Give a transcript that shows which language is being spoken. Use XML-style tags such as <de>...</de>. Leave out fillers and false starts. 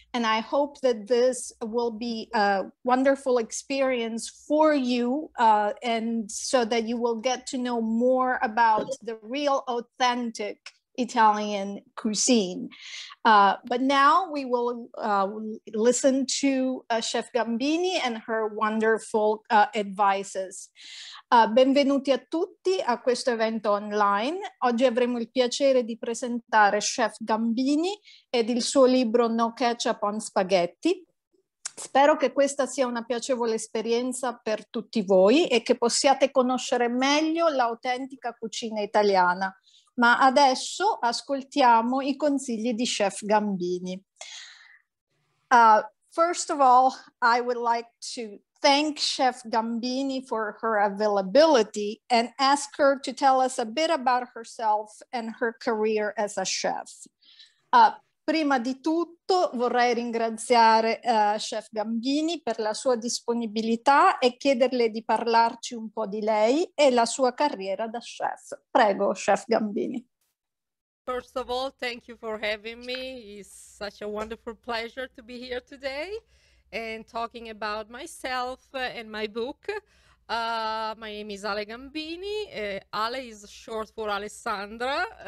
<en>And I hope that this will be a wonderful experience for you and so that you will get to know more about the real authentic Italian cuisine. But now we will listen to Chef Gambini and her wonderful advices.</en> <it>Benvenuti a tutti a questo evento online. Oggi avremo il piacere di presentare Chef Gambini ed il suo libro No Ketchup on Spaghetti. Spero che questa sia una piacevole esperienza per tutti voi e che possiate conoscere meglio l'autentica cucina italiana. Ma adesso ascoltiamo I consigli di Chef Gambini.</it> <en>First of all, I would like to thank Chef Gambini for her availability and ask her to tell us a bit about herself and her career as a chef.</en> <it>Prima di tutto vorrei ringraziare Chef Gambini per la sua disponibilità e chiederle di parlarci un po' di lei e la sua carriera da chef. Prego, Chef Gambini.</it> <en>First of all, thank you for having me. It's such a wonderful pleasure to be here today and talking about myself and my book. My name is Ale Gambini. Ale is short for Alessandra.</en>